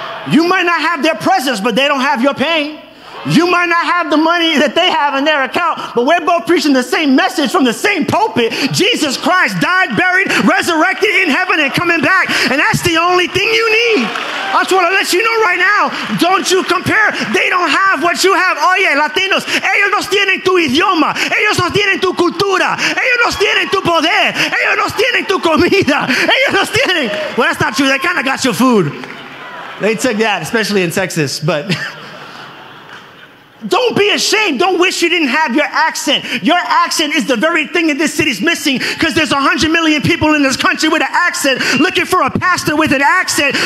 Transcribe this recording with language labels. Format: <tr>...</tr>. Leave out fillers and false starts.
<en>You might not have their presence, but they don't have your pain. You might not have the money that they have in their account, but we're both preaching the same message from the same pulpit. Jesus Christ died, buried, resurrected in heaven and coming back. And that's the only thing you need. I just want to let you know right now, don't you compare. They don't have what you have.</en> <es>Oye, Latinos, ellos no tienen tu idioma. Ellos no tienen tu cultura. Ellos no tienen tu poder. Ellos no tienen tu comida. Ellos no tienen.</es> <en>Well, that's not true. They kind of got your food. They took that, especially in Texas, but... Don't be ashamed. Don't wish you didn't have your accent. Your accent is the very thing that this city's missing because there's 100 million people in this country with an accent looking for a pastor with an accent.</en>